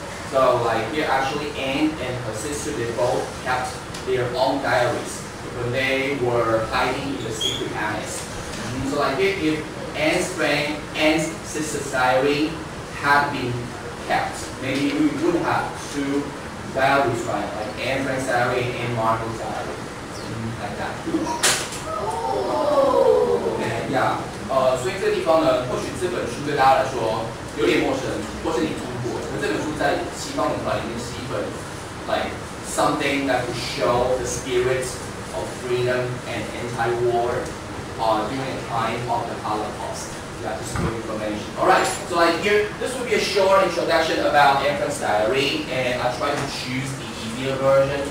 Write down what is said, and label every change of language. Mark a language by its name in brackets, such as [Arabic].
[English] So like here, actually Anne and her sister, they both kept their own diaries when they were hiding in the secret annex. Mm-hmm. So like here, if Anne's friend, Anne's sister's diary had been kept, maybe we would have two diaries, right? Like Anne's friend's diary and Anne Margot's diary. Like that. Okay, yeah. [Chinese] 所以这个地方呢，或许这本书对大家来说有点陌生，或是你听过。可这本书在西方文化里面是一本 [English] like something that could show the spirit of freedom and anti-war, during the time of the Holocaust. Yeah, just for information. All right. So like here, this would be a short introduction about Anne Frank's diary, and I try to choose the easier version.